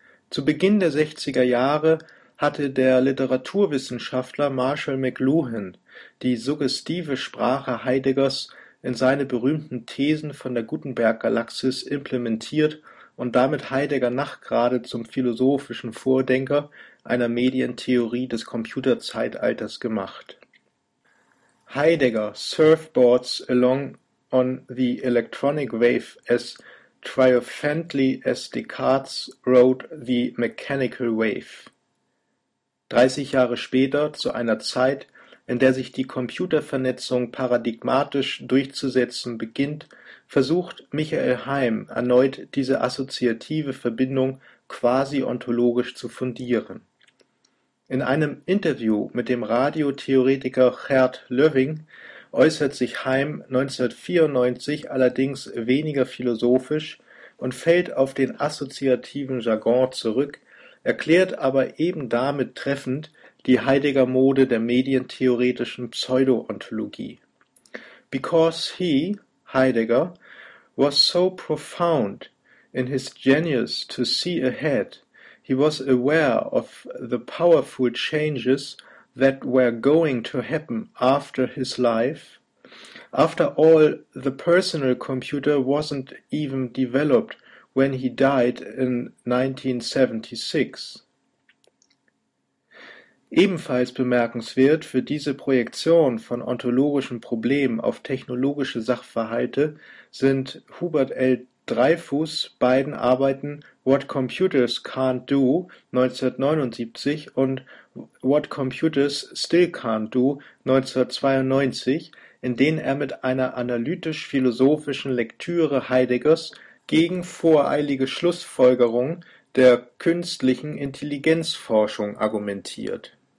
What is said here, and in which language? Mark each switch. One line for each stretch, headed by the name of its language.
German: Zu Beginn der 60er Jahre hatte der Literaturwissenschaftler Marshall McLuhan die suggestive Sprache Heideggers in seine berühmten Thesen von der Gutenberg-Galaxis implementiert und damit Heidegger nach gerade zum philosophischen Vordenker einer Medientheorie des Computerzeitalters gemacht.
English: Heidegger, Surfboards along on the electronic wave as triumphantly as Descartes rode the mechanical wave.
German: 30 Jahre später, zu einer Zeit, in der sich die Computervernetzung paradigmatisch durchzusetzen beginnt, versucht Michael Heim erneut diese assoziative Verbindung quasi-ontologisch zu fundieren. In einem Interview mit dem Radiotheoretiker Gert Löwing äußert sich Heim 1994 allerdings weniger philosophisch und fällt auf den assoziativen Jargon zurück, erklärt aber eben damit treffend die Heidegger-Mode der medientheoretischen Pseudo-Ontologie.
English: Because he, Heidegger, was so profound in his genius to see ahead, he was aware of the powerful changes that were going to happen after his life. After all, the personal computer wasn't even developed when he died in 1976.
German: Ebenfalls bemerkenswert für diese Projektion von ontologischen Problemen auf technologische Sachverhalte sind Hubert L. Dreyfus' beiden Arbeiten What Computers Can't Do 1979 und What Computers Still Can't Do 1992, in denen er mit einer analytisch-philosophischen Lektüre Heideggers gegen voreilige Schlussfolgerungen der künstlichen Intelligenzforschung argumentiert.